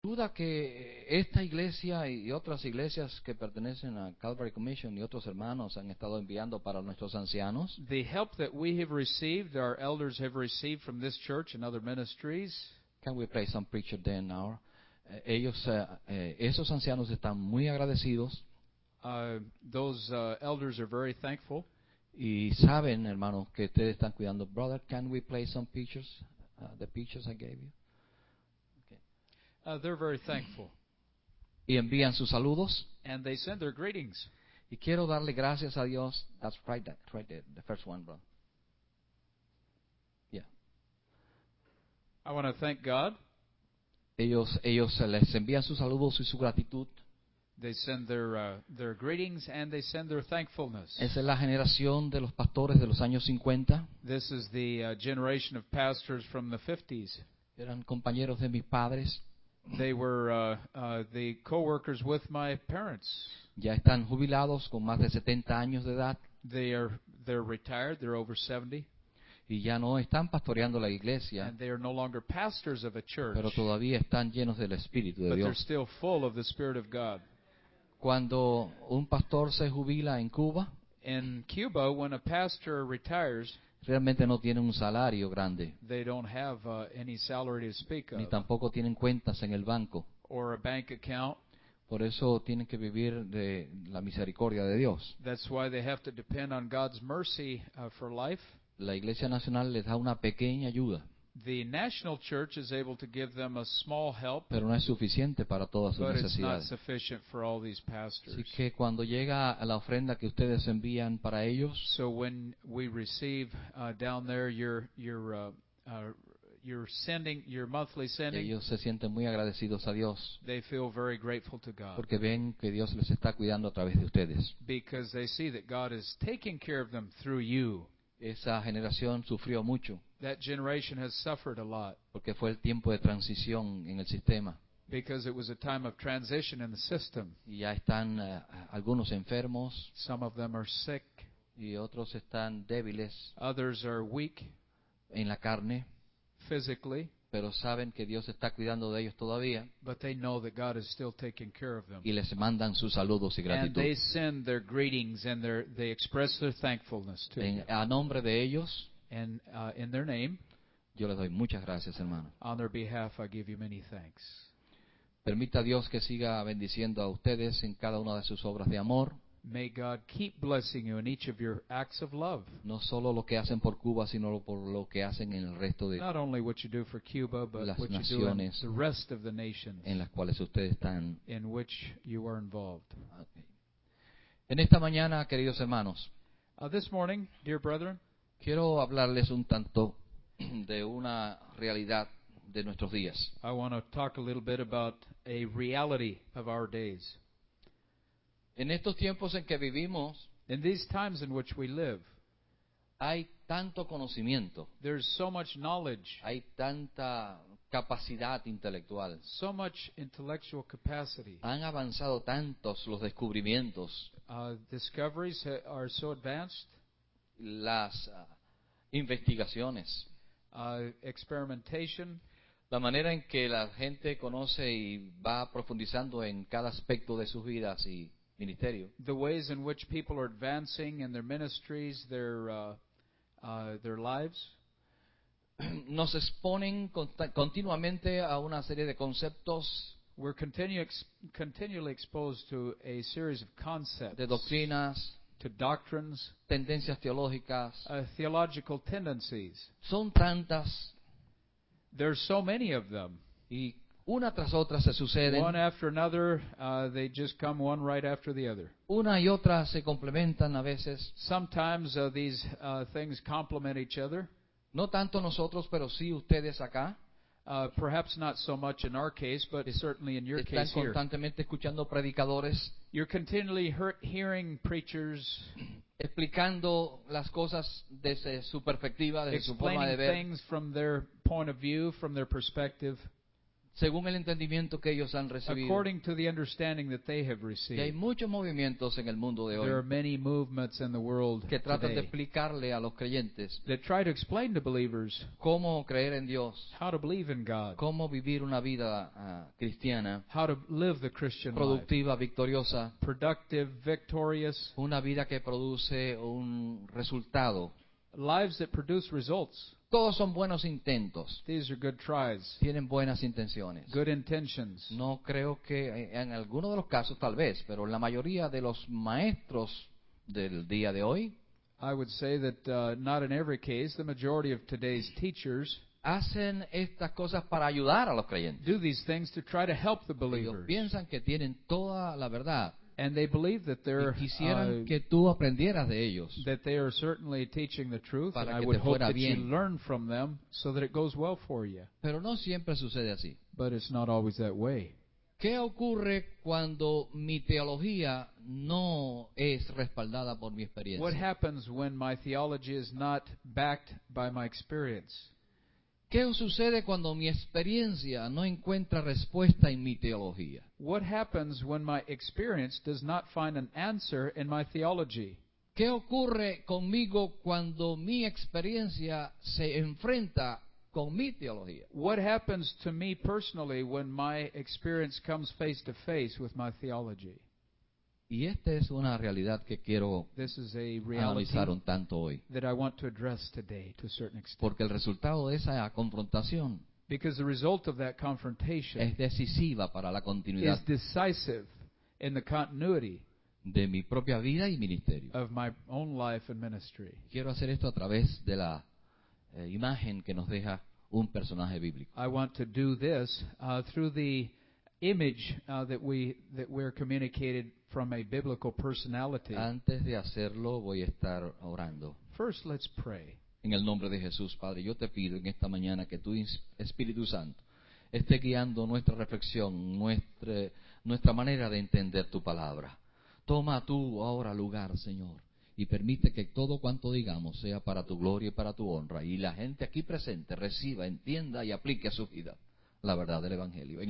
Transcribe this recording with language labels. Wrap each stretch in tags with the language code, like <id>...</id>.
<es>duda que esta iglesia y otras iglesias que pertenecen a Calvary Commission y otros hermanos han estado enviando para nuestros ancianos?</es> <en>The help that we have received, our elders have received from this church and other ministries. Can we pray some preacher then now?</en> <es>Esos ancianos están muy agradecidos.</es> <en>Those elders are very thankful.</en> <es>Y saben, hermanos, que ustedes están cuidando.</es> <en>Brother, can we play some pictures, the pictures I gave you? Okay. They're very thankful.</en> <es>Y envían sus saludos.</es> <en>And they send their greetings.</en> <es>Y quiero darle gracias a Dios.</es> <en>That's right, the first one, bro. Yeah. I want to thank God.</en> <es>Ellos les envían sus saludos y su gratitud.</es> <en>They send their greetings and they send their thankfulness.</en> <es>Esa es la generación de los pastores de los años 50.</es> <en>This is the generation of pastors from the 50s.</en> <es>Eran compañeros de mis padres.</es> <en>They were the co-workers with my parents.</en> <es>Ya están jubilados con más de 70 años de edad.</es> <en>They're retired, they're over 70.</en> <es>Y ya no están pastoreando la iglesia.</es> <en>And they are no longer pastors of a church.</en> <es>Pero todavía están llenos del Espíritu de</es> <en>but</en> <es>Dios.</es> <en>But they're still full of the Spirit of God.</en> <es>Cuando un pastor se jubila en Cuba,</es> <en>in Cuba, when a pastor retires,</en> <es>realmente no tienen un salario grande.</es> <en>They don't have any salary to speak of.</en> <es>Ni tampoco tienen cuentas en el banco.</es> <en>Or a bank account.</en> <es>Por eso tienen que vivir de la misericordia de Dios.</es> <en>That's why they have to depend on God's mercy for life.</en> <es>La Iglesia Nacional les da una pequeña ayuda.</es> <en>The National Church is able to give them a small help,</en> <es>pero no es suficiente para todas sus necesidades.</es> <en>But it's not sufficient for all these pastors.</en> <es>Así que cuando llega la ofrenda que ustedes envían para ellos,</es> <en>so when we receive down there your sending, your monthly sending,</en> <es>ellos se sienten muy agradecidos a Dios.</es> <en>They feel very grateful to God.</en> <es>Porque ven que Dios les está cuidando a través de ustedes.</es> <en>Because they see that God is taking care of them through you.</en> <es>Esa generación sufrió mucho.</es> <en>That generation has suffered a lot.</en> <es>Porque fue el tiempo de transición en el sistema.</es> <en>Because it was a time of transition in the system.</en> <es>Y ya están algunos enfermos.</es> <en>Some of them are sick.</en> <es>Y otros están débiles.</es> <en>Others are weak.</en> <es>En la carne.</es> <en>Physically.</en> <es>Pero saben que Dios está cuidando de ellos todavía.</es> <en>But they know that God is still taking care of them.</en> <es>Y les mandan sus saludos y gratitud.</es> <en>And they send their greetings and they express their thankfulness to them.</en> <es>A nombre de ellos.</es> <en>And in their name.</en> <es>Yo les doy muchas gracias, hermano.</es> <en>On their behalf, I give you many thanks.</en> <es>Permita Dios que siga bendiciendo a ustedes en cada una de sus obras de amor.</es> <en>May God keep blessing you in each of your acts of love.</en> <es>No solo lo que hacen por Cuba, sino por lo que hacen en el resto de</es> <en>not only what you do for Cuba, but</en> <es>las naciones</es> <en>you do in the rest of the nations</en> <es>en las cuales ustedes están</es> <en>in which you are involved.</en> <es>Okay. En esta mañana, queridos hermanos,</es> <en>this morning, dear brethren,</en> <es>quiero hablarles un tanto de una realidad de nuestros días.</es> <en>I want to talk a little bit about a reality of our days.</en> <es>En estos tiempos en que vivimos,</es> <en>in these times in which we live,</en> <es>hay tanto conocimiento.</es> <en>There's so much knowledge.</en> <es>Hay tanta capacidad intelectual.</es> <en>So much intellectual capacity.</en> <es>Han avanzado tantos los descubrimientos.</es> <en>Discoveries are so advanced.</en> <es>Las investigaciones.</es> <en>Experimentation.</en> <es>La manera en que la gente conoce y va profundizando en cada aspecto de sus vidas y ministerio.</es> <en>The ways in which people are advancing in their ministries, their lives.</en> <es>Nos exponen continuamente a una serie de conceptos.</es> <en>We're continually exposed to a series of concepts.</en> <es>De doctrinas.</es> <en>To doctrines,</en> <es>tendencias teológicas,</es> <en>theological tendencies.</en> <es>Son tantas.</es> <en>There are so many of them.</en> <es>Y una tras otra se suceden.</es> <en>One after another, they just come one right after the other.</en> <es>Una y otra se complementan a veces.</es> <en>Sometimes these things complement each other.</en> <es>No tanto nosotros, pero sí ustedes acá.</es> <en>Perhaps not so much in our case, but certainly in your case here.</en> <es>Están constantemente escuchando predicadores.</es> <en>You're continually hearing preachers</en> <es>explicando las cosas desde su perspectiva, desde su forma de ver.</es> <en>Explaining things from their point of view, from their perspective.</en> <es>según el entendimiento que ellos han recibido.</es> <en>According to the understanding that they have received.</en> <es>Y hay muchos movimientos en el mundo de hoy.</es> <en>There are many movements in the world</en> <es>que tratan</es> <en>today</en> <es>de explicarle a los creyentes</es> <en>that try to explain to believers</en> <es>cómo creer en Dios,</es> <en>how to believe in God,</en> <es>cómo vivir una vida cristiana,</es> <en>how to live the Christian</en> <es>productiva,</es> <en>life,</en> <es>victoriosa,</es> <en>productive, victorious,</en> <es>una vida que produce un resultado.</es> <en>Lives that produce results.</en> <es>Todos son buenos intentos.</es> <en>These are good tries.</en> <es>Tienen buenas intenciones.</es> <en>Good intentions.</en> <es>No creo que en alguno de los casos, tal vez, pero la mayoría de los maestros del día de hoy,</es> <en>I would say that not in every case, the majority of today's teachers</en> <es>hacen estas cosas para ayudar a los creyentes.</es> <en>Do these things to try to help the believers.</en> <es>Ellos piensan que tienen toda la verdad.</es> <en>And they believe that they're,</en> <es>y quisieran que tú aprendieras de ellos,</es> <en>that they are certainly teaching the truth,</en> <es>para</es> <en>and</en> <es>que</es> <en>I would</en> <es>te fuera</es> <en>hope</en> <es>bien</es> <en>that you learn from them so that it goes well for you.</en> <es>Pero no siempre sucede así.</es> <en>But it's not always that way.</en> <es>¿Qué ocurre cuando mi teología no es respaldada por mi experiencia?</es> <en>What happens when my theology is not backed by my experience?</en> <es>¿Qué sucede cuando mi experiencia no encuentra respuesta en mi teología?</es> <en>What happens when my experience does not find an answer in my theology?</en> <es>¿Qué ocurre conmigo cuando mi experiencia se enfrenta con mi teología?</es> <en>What happens to me personally when my experience comes face to face with my theology?</en> <es>Y esta es una realidad que quiero analizar un tanto hoy.</es> <en>That I want to address today, to a certain extent.</en> <es>Porque el resultado de esa confrontación,</es> <en>because the result of that confrontation,</en> <es>es decisiva para la continuidad,</es> <en>is decisive in the continuity</en> <es>de mi propia vida y ministerio,</es> <en>of my own life and ministry.</en> <es>Quiero hacer esto a través de la imagen que nos deja un personaje bíblico.</es> <en>I want to do this through the image that we're communicated from a biblical personality.</en> <es>Antes de hacerlo, voy a estar orando.</es> <en>First, let's pray.</en> <es>En el nombre de Jesús, Padre, yo te pido en esta mañana que tu Espíritu Santo esté guiando nuestra reflexión, nuestra manera de entender tu palabra. Toma tú ahora lugar, Señor, y permite que todo cuanto digamos sea para tu gloria y para tu honra, y la gente aquí presente reciba, entienda y aplique a su vida la verdad del Evangelio.</es>